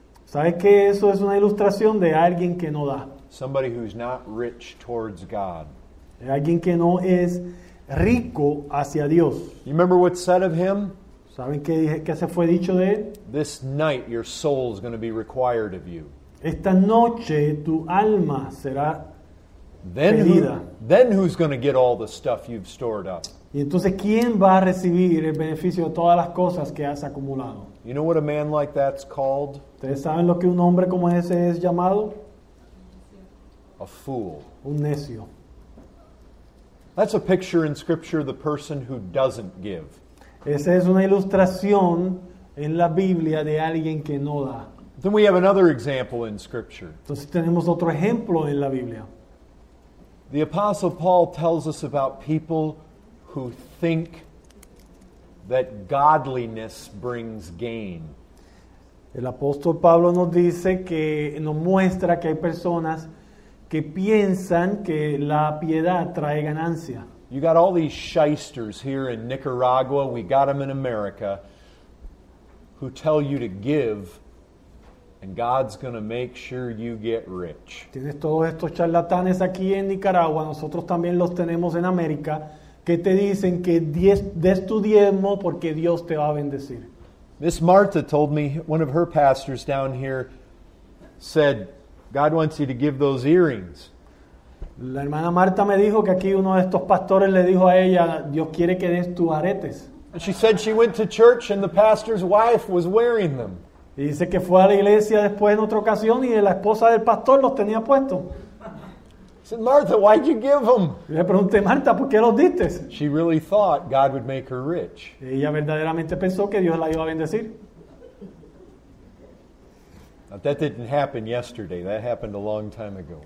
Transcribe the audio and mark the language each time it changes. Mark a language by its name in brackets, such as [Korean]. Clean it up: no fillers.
[Spanish] ¿Sabes qué? Eso es una ilustración de alguien que no da. [English] Somebody who's not rich towards God. [Spanish] De alguien que no es rico hacia Dios. [English] You remember what's said of him? [Spanish] ¿Saben qué se fue dicho de él? [English] This night your soul is going to be required of you. [Spanish] Esta noche tu alma será pedida. [English] Then who's going to get all the stuff you've stored up? [Spanish] Y entonces, ¿quién va a recibir el beneficio de todas las cosas que has acumulado? [English] You know what a man like that's called? [Spanish] ¿Ustedes saben lo que un hombre como ese es llamado? [English] A fool. [Spanish] Un necio. [English] That's a picture in Scripture of the person who doesn't give. [Spanish] Esa es una ilustración en la Biblia de alguien que no da. [English] Then we have another example in Scripture. [Spanish] Entonces tenemos otro ejemplo en la Biblia. [English] The Apostle Paul tells us about people who think that godliness brings gain. [Spanish] El apóstol Pablo nos dice que, nos muestra que hay personas que piensan que la piedad trae ganancia. [English] You got all these shysters here in Nicaragua, we got them in America, who tell you to give, and God's going to make sure you get rich. [Spanish] Tienes todos estos charlatanes aquí en Nicaragua, nosotros también los tenemos en América, que te dicen que des tu diezmo porque Dios te va a bendecir. [English] Miss Martha told me, one of her pastors down here said, God wants you to give those earrings. [Spanish] La hermana Marta me dijo que aquí uno de estos pastores le dijo a ella, Dios quiere que des tus aretes. [English] And she said she went to church and the pastor's wife was wearing them. [Spanish] Y dice que fue a la iglesia después en otra ocasión y la esposa del pastor los tenía puestos. [English] I said, Martha, why'd you give them? [Spanish] Le pregunté, Marta, ¿por qué los diste? [English] She really thought God would make her rich. [Spanish] Y ella verdaderamente pensó que Dios la iba a bendecir. [English] That didn't happen yesterday. That happened a long time ago.